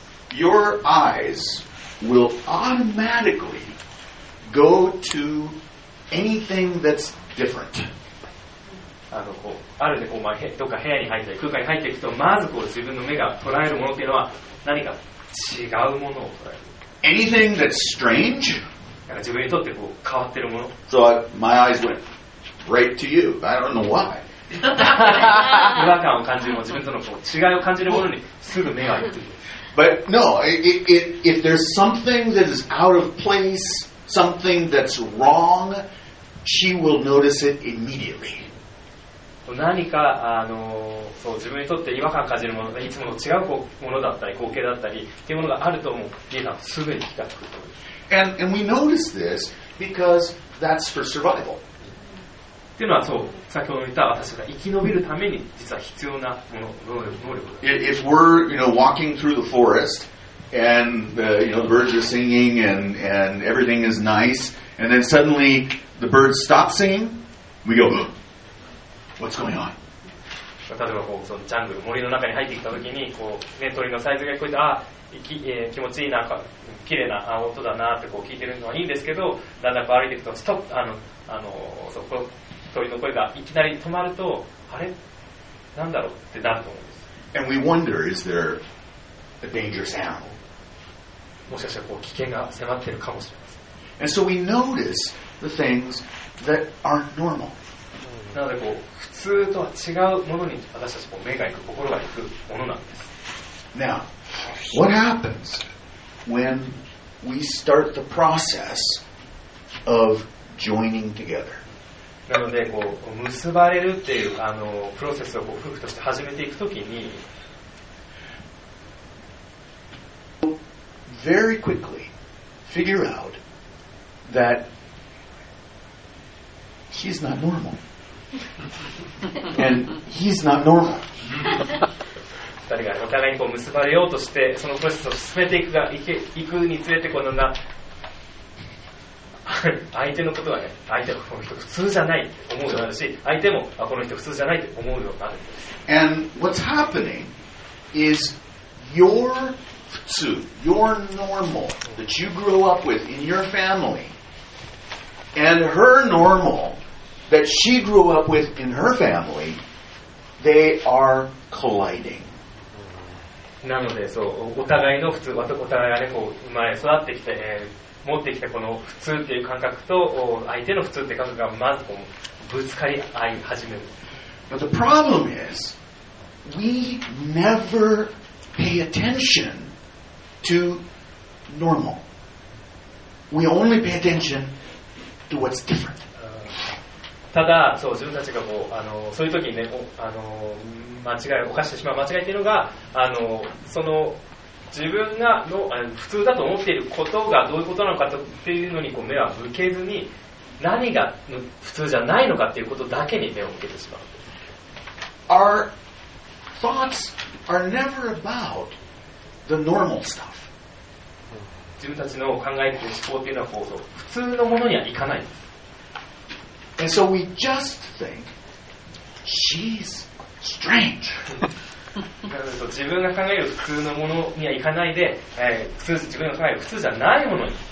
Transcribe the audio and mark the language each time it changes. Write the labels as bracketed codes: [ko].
[en] your eyes will automatically go to anything that's different。 [ja] あのこうあるでこうまあ、どっか部屋に入ったり空間に入っていくとまずこう自分の目が捉えるものっていうのは何か違うものを捉える。 [en] Anything that's strange。 [ja] なんか自分にとってこう変わってるもの。 [en] So I, my eyes went right to you. I don't know why. [ja] 違和感を感じるも自分とのこう違いを感じるものにすぐ目が行く。 [en] But no, if there's something that is out of place, something that's wrong, she will notice it immediately. [ja] 何かあのそう自分にとって違和感を感じるものがいつもの違うものだったり光景だったりっていうものがあるともう皆さんすぐに気がつくと。 [en] And we notice this because that's for survival. [ja] っていうのはそう先ほど言った私が生き延びるために実は必要なもの能力。 [en] If we're you know walking through the forest and the you know the birds are singing and everything is nice and then suddenly the birds stop singing, we go, what's going on? [ja] 例えばこうそのジャングル森の中に入ってきたときにこうね鳥のサイズが聞こえてあ気持ちいいなんか綺麗な音だなってこう聞いてるのはいいんですけど、だんだん歩いていくとストップそこ鳥の声がいきなり止まるとあれなんだろうってなると思うんです。 [en] And we wonder, is there a danger sound? [ja] もしかしたらこう危険が迫ってるかもしれません。 [en] And so we notice the things that aren't normal. [ja] なのでこう普通とは違うものに私たちこう目が行く心が行くものなんです。 [en] Now, what happens? When we start the process of joining together. [ja] なのでこう結ばれるっていうあのプロセスをこう夫婦として始めていくときに、 [en] very quickly figure out that he's not normal and he's not normal. [ja] 二人がお互いにこう結ばれようとしてそのプロセスを進めていくが行くにつれてこのな相手のことはね相手はこの人普通じゃないと思うようになるし相手もこの人普通じゃないと思うようになるんです。 [en] And what's happening is your 普通 your normal that you grew up with in your family and her normal that she grew up with in her family they are colliding. [ja] なのでそうお互いの普通お互いが、ね、こう生まれ育ってきて、持ってきたこの普通っていう感覚と相手の普通っていう感覚がまずこうぶつかり合い始める。 [en] But the problem is we never pay attention to normal. We only pay attention to what's different. [ja] ただそう自分たちがこうそういう時にね間違い犯してしまう間違いというのがその自分が普通だと思っていることがどういうことなのかというのにこう目は向けずに何が普通じゃないのかということだけに目を向けてしまう。 [en] Our thoughts are never about the normal stuff. [ja] 自分たちの考えている思考というのはこう普通のものにはいかないんです。 [en] And so we just think she'sStrange. [ja] 自分が考える普通のものにはいかないで、普通自分が考える普通じゃないものに。